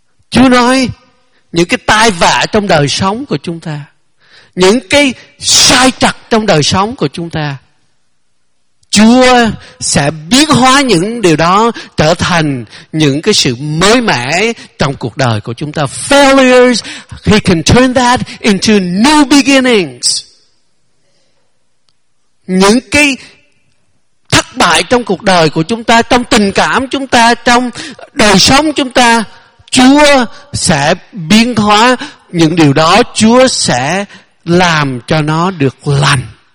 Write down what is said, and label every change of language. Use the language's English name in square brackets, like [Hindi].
[Vietnamese] Chúa nói những cái tai vạ trong đời sống của chúng ta, những cái sai trật trong đời sống của chúng ta, Chúa sẽ biến hóa những điều đó trở thành những cái sự mới mẻ trong cuộc đời của chúng ta. [English] Failures, He can turn that into new beginnings. [Vietnamese] Những cái thất bại trong cuộc đời của chúng ta, trong tình cảm chúng ta, trong đời sống chúng ta, Chúa sẽ biến hóa những điều đó, Chúa sẽ làm cho nó được lành.